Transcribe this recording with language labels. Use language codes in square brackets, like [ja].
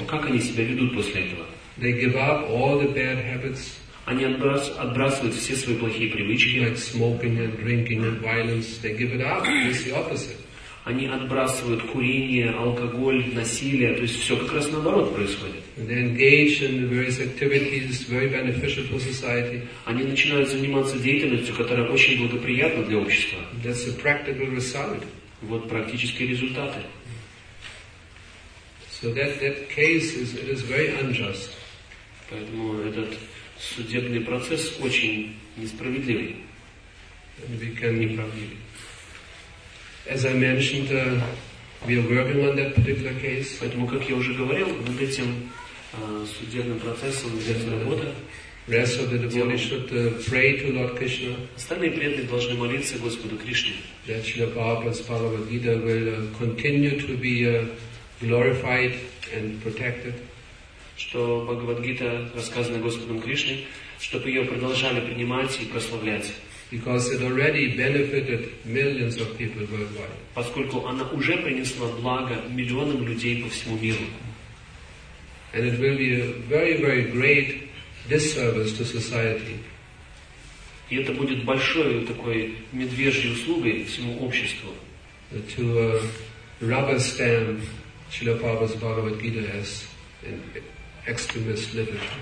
[ru] Как они себя ведут после этого? [en] They give up all the bad habits. [ru] Они отбрасывают все свои плохие привычки. [en] Like smoking and drinking and violence. They give it up. It's the opposite. [ru] Они отбрасывают курение, алкоголь, насилие. То есть все как раз наоборот происходит. [en] They engage in various activities, very beneficial for society. [ru] Они начинают заниматься деятельностью, которая очень благоприятна для общества. [en] That's a practical result. [ru] Вот практические результаты. [en] So that case is, it is very unjust. [ru] Поэтому этот судебный процесс очень несправедливый. [en] And we can [ru] неправдивый. [en] As I mentioned, we are working on that particular case. [ru] Поэтому, как я уже говорил, над этим судебным процессом ведется работа. [en] Rest of the devotees should pray to Lord Krishna. [ru] Остальные преданные должны молиться Господу Кришне. [en] That Srila Prabhupada's Bhagavad Gita will continue to be glorified and protected. [ru] Что Бхагавад Гита, рассказанная Господом Кришне, чтобы ее продолжали принимать и прославлять. [en] Because it already benefited millions of people worldwide. [ru] Поскольку она уже принесла благо миллионам людей по всему миру. [en] And it will be a very, very great disservice to society. [ru] И это будет большой такой медвежьей услугой всему обществу. [en] To rubber stamp Srila Prabhupada's Bhagavad Gita as an extremist literature.